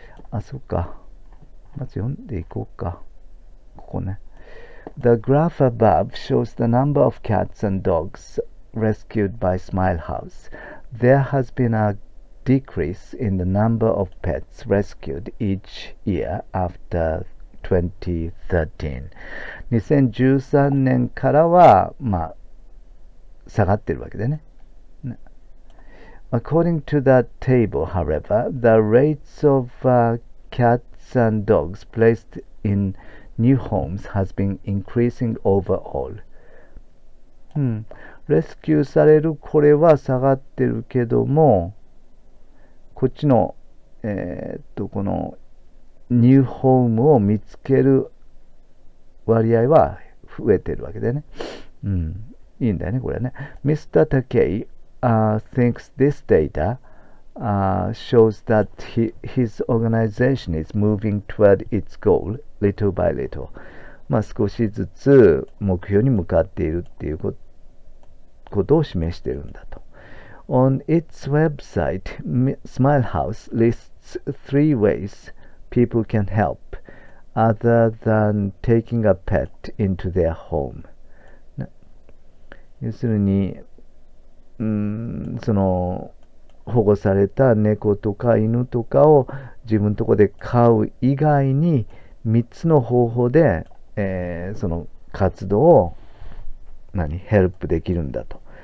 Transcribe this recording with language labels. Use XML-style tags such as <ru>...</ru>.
<ja>あ、そっか。まず読んでいこうか。ここね。</ja> <en>The graph above shows the number of cats and dogs rescued by Smile House. There has been a decrease in the number of pets rescued each year after 2013.</en> <ja>2013年からは、まあ、下がってるわけでね。ね。</ja> <en>According to the table, however, the rates of Cats and dogs placed in new homes has been increasing overall.</en> <ja>レスキューされるこれは下がってるけども、こっちのこのニューホームを見つける割合は増えてるわけでね。いいんだよねこれね。Mr.</ja> <en>Takei、thinks this data、shows that his organization is moving toward its goal little by little。</en> <ja>まあ少しずつ目標に向かっているっていうことを示してるんだと。</ja> <en>On its website SmileHouse lists three ways people can help other than taking a pet into their home、</en> <ja>ね、要するに、その保護された猫とか犬とかを自分のところで飼う以外に3つの方法で、その活動を何ヘルプできるんだと。</ja>